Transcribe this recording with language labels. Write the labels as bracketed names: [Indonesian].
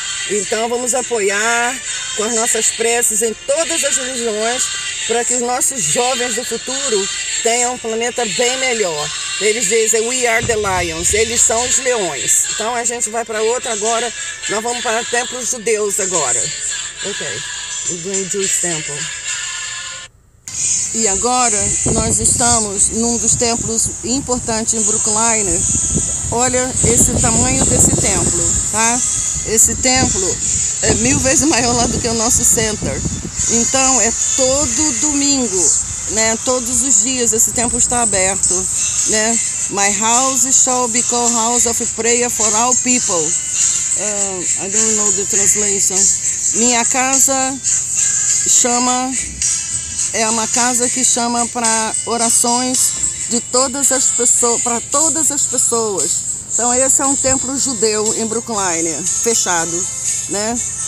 [Portuguese] Então vamos apoiar com as nossas preces em todas as religiões para que os nossos jovens do futuro tenham um planeta bem melhor. Eles dizem, [English] we are the lions, [Portuguese] eles são os leões. Então a gente vai para outra agora, nós vamos para o templo judeus agora. [English] Ok, we're going to the temple. [Portuguese] E agora nós estamos num dos templos importantes em Brookline. Olha esse tamanho desse templo, tá? Esse templo é mil vezes maior lá do que o nosso center. Então é todo domingo, né? Todos os dias esse templo está aberto, né? [English] My house shall be called house of prayer for all people. I don't know the translation. [Portuguese] Minha casa chama... É uma casa que chama para orações de todas as pessoas, para todas as pessoas. Então esse é um templo judeu em Brookline, fechado, né?